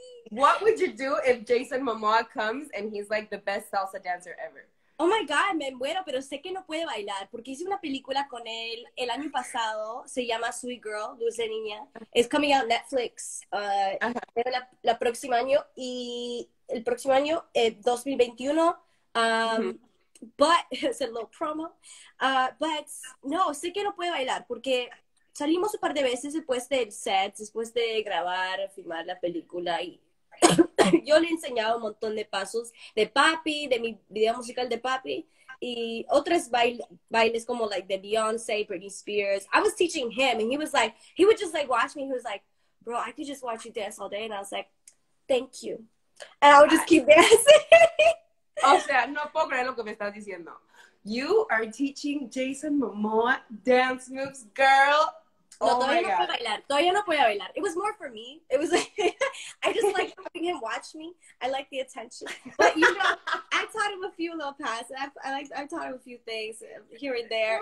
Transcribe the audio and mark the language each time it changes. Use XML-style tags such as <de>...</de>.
<en>What would you do if Jason Momoa comes and he's like the best salsa dancer ever?</en> <es>Oh my god, me muero, pero sé que no puede bailar porque hice una película con él el año pasado, se llama Sweet Girl, Dulce Niña.</es> <en>It's coming out Netflix</en> <es>la próximo año y el próximo año 2021.</es> <en>But it's a little promo.</en> <es>But no, sé que no puede bailar porque salimos un par de veces después del set, después de grabar, filmar la película y yo le he enseñado un montón de pasos de papi, de mi video musical de papi y otros bailes como like de Beyoncé, Britney Spears.</es> <en>I was teaching him and he was like, he would just like watch me. He was like, bro, I could just watch you dance all day. And I was like, thank you. And I would just keep dancing.</en> <es>O sea, no puedo creer lo que me estás diciendo.</es> <en>You are teaching Jason Momoa dance moves, girl.</en> <es>No, oh todavía no puedo bailar.</es> <en>Todavía no puedo bailar. It was more for me. It was like, I just like having him watch me. I like the attention. But you know, I taught him a few little paths. I taught him a few things here and there.</en>